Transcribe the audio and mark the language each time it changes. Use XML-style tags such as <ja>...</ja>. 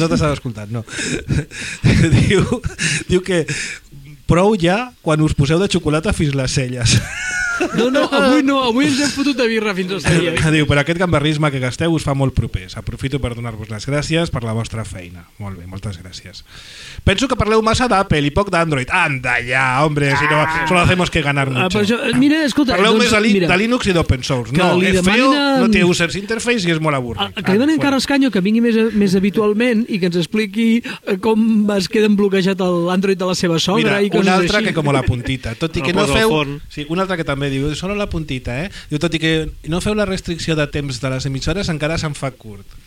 <ca>No t'estava escoltant, no. diu que prou ja quan us poseu de xocolata fins les celles. No, avui ens hem fotut de birra fins al celler. Diu, però aquest gamberrisme que gasteu us fa molt propers. Aprofito per donar-vos les gràcies per la vostra feina. Molt bé, moltes gràcies. Penso que parleu massa d'Apple i poc d'Android.</ca> <es>Anda ja, hombre, si no, solo hacemos que ganar mucho.</es> <ca>Mira, escolta, parleu doncs, més de Linux i d'Open Source. No, és feo, no té users interface i és molt avorrit. Que li donen Carles Canyo que vingui més habitualment i que ens expliqui com es queden bloquejat l'Android de la seva sogra. Mira, i coses una altra així. Que com la puntita. Tot i que no feu... Sí, una altra que també diu,</ca> <es>solo la puntita,</es> <ca>eh? Diu, tot i que no feu la restricció de temps de les emissores, encara se'n fa curt.</ca>